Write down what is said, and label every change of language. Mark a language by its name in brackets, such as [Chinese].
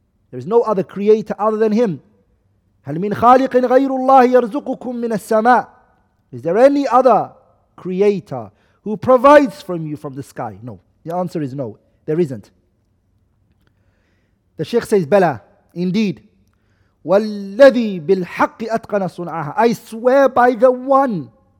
[English] There is no other creator other than Him. [Arabic] هل من خالق غير الله يرزقكم من السماء. [English] Is there any other creator who provides from you from the sky? No. The answer is no. There isn't. The Sheikh says, بلى. Indeed. وَالَّذِي بِالْحَقِّ أَتْقَنَ صُنْعَهَا. I swear by the one.